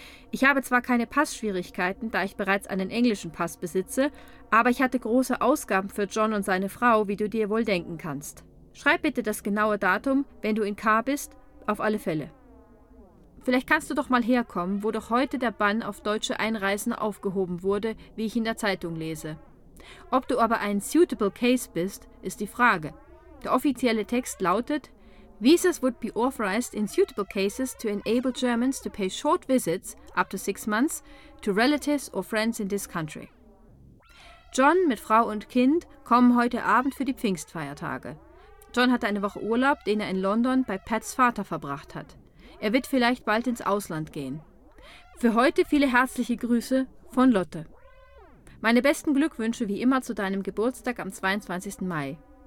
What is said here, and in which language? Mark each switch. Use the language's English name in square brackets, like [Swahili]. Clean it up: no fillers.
[German] Ich habe zwar keine Passschwierigkeiten, da ich bereits einen englischen Pass besitze, aber ich hatte große Ausgaben für John und seine Frau, wie du dir wohl denken kannst. Schreib bitte das genaue Datum, wenn du in K bist, auf alle Fälle. Vielleicht kannst du doch mal herkommen, wo doch heute der Bann auf deutsche Einreisen aufgehoben wurde, wie ich in der Zeitung lese. Ob du aber ein [English] suitable case [German] bist, ist die Frage. Der offizielle Text lautet: [English] Visas would be authorized in suitable cases to enable Germans to pay short visits, up to 6 months, to relatives or friends in this country. [German] John mit Frau und Kind kommen heute Abend für die Pfingstfeiertage. John hatte eine Woche Urlaub, den er in London bei Pats Vater verbracht hat. Er wird vielleicht bald ins Ausland gehen. Für heute viele herzliche Grüße von Lotte. Meine besten Glückwünsche wie immer zu deinem Geburtstag am 22. Mai.